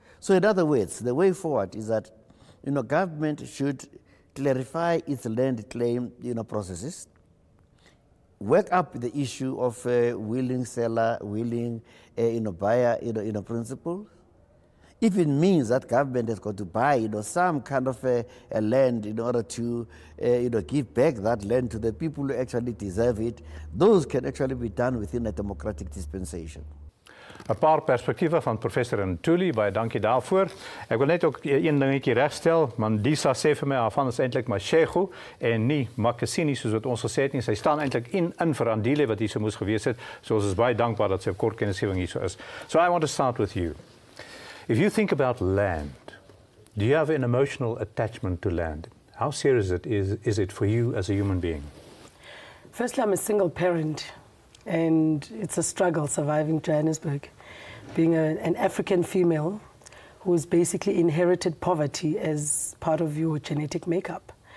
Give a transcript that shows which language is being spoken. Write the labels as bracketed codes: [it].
[en] So in other words, the way forward is that government should clarify its land claim processes, work up the issue of willing seller, willing buyer principle. If it means that government has got to buy some kind of a land in order to give back that land to the people who actually deserve it, those can actually be done within a democratic dispensation. [af] 'N paar perspektiewe van professor Ntuli, baie dankie daarvoor. Ek wil net ook een dingetjie regstel, Mandisa sê vir my, van is eintlik Mashego en nie Makasini soos wat ons gesê het nie. Sy staan eintlik in vir Andile wat hier so moes gewees het, so ons is baie dankbaar dat sy kort kennisgewing hier so is. [en] So I want to start with you. If you think about land, do you have an emotional attachment to land? How serious is it for you as a human being? Firstly, I'm a single parent. And it's a struggle surviving Johannesburg, being an African female who has basically inherited poverty as part of your genetic makeup.